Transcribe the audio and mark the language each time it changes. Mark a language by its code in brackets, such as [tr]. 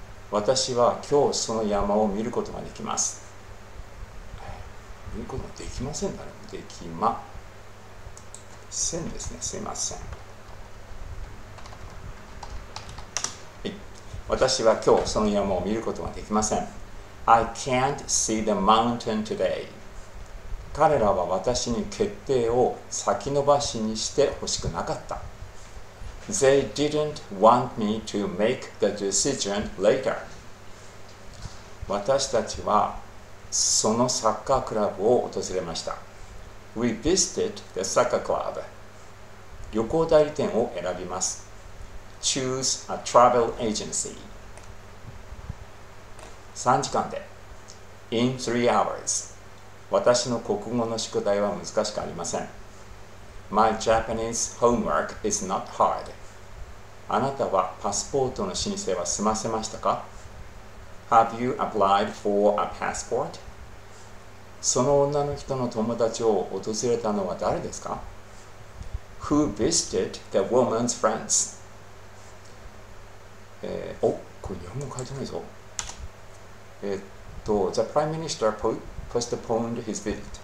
[ja] 私は今日その山を見ることができます。見ることができませんだね。できませんですね。すいません。はい。私は今日その山を見ることができません。 [en] I can't see the mountain today. [ja] 彼らは私に決定を先延ばしにして欲しくなかった。 [en] They didn't want me to make the decision later. [ja] 私たちはそのサッカークラブを訪れました。 [en] We visited the soccer club. [ja] 旅行代理店を選びます。 [en] Choose a travel agency. [ja] 3時間で。 [en] In 3 hours. [ja] 私の国語の宿題は難しくありません。 [en] My Japanese homework is not hard. [ja] あなたはパスポートの申請は済ませましたか？ [en] Have you applied for a passport? [ja] その女の人の友達を訪れたのは誰ですか？ [en] Who visited the woman's friends? [ja] これ日本語書いてないぞ。 [en] The Prime Minister postponed his visit.